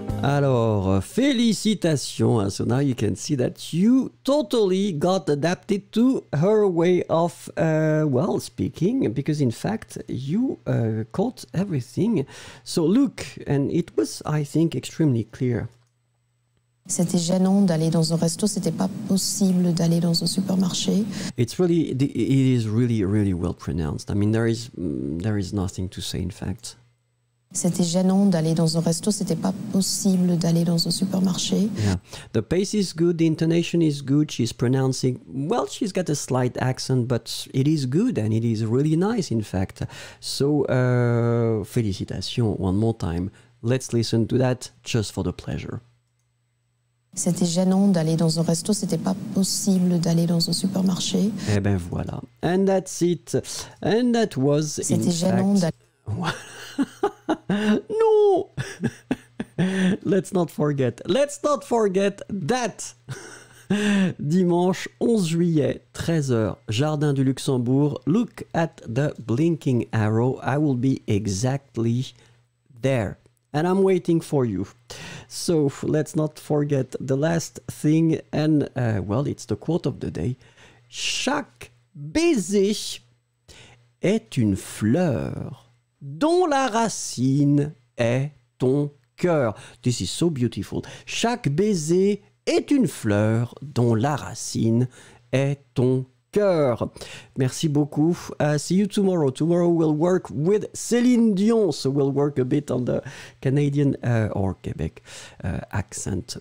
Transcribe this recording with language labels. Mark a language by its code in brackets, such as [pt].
[fr] Alors, Félicitations. [en] So now you can see that you totally got adapted to her way of, well, speaking, because in fact, you caught everything. So look, and it was, I think, extremely clear. [fr] C'était gênant d'aller dans un resto, c'était pas possible d'aller dans un supermarché. [en] It's really, it is really, really well pronounced. I mean, there is nothing to say, in fact. [fr] C'était gênant d'aller dans un resto, c'était pas possible d'aller dans un supermarché. [en] Yeah, the pace is good, the intonation is good, she's pronouncing, well, she's got a slight accent, but it is good and it is really nice, in fact. So, félicitations, one more time. Let's listen to that just for the pleasure. [fr] C'était gênant d'aller dans un resto, c'était pas possible d'aller dans un supermarché. Eh ben voilà. [en] And that's it. And that was, [fr] c'était [en] in [fr] gênant [en] fact... [fr] d'aller... [en] No! Let's not forget that! [fr] Dimanche 11 juillet, 13h, Jardin du Luxembourg. [en] Look at the blinking arrow. I will be exactly there. And I'm waiting for you. So let's not forget the last thing. And well, it's the quote of the day. [fr] Chaque baiser est une fleur dont la racine est ton cœur. [en] This is so beautiful. [fr] Chaque baiser est une fleur dont la racine est ton cœur. Cœur. Merci beaucoup. [en] See you tomorrow. Tomorrow we'll work with Céline Dion, so we'll work a bit on the Canadian or Quebec accent.